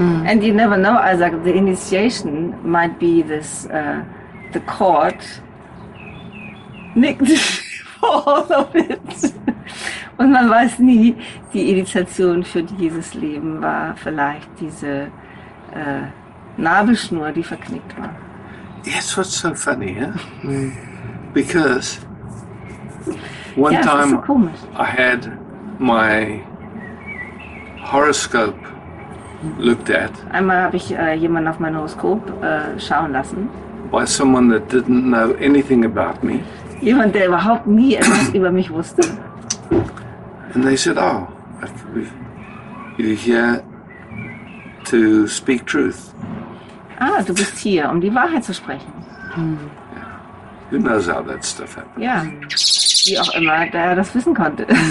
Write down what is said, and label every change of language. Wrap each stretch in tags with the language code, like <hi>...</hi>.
<en>And you never know, Isaac, the initiation might be this, the cord nicked for all of it.</en> <de>Und man weiß nie, die Initiation für dieses Leben war vielleicht diese Nabelschnur, die verknickt war.</de> <en>Yes, what's so funny, huh? Because one time so I had my horoscope looked at.</en> <de>Einmal habe ich jemanden auf mein Horoskop schauen lassen.</de> <en>By someone that didn't know anything about me.</en> <de>Jemand, der überhaupt nie etwas über mich wusste.</de> <en>And they said, oh, you're here to speak truth.</en> <de>Ah, du bist hier, um die Wahrheit zu sprechen.</de> <en>Yeah. Who knows how that stuff happens?</en> <de>Ja, wie auch immer, da er das wissen konnte.</de>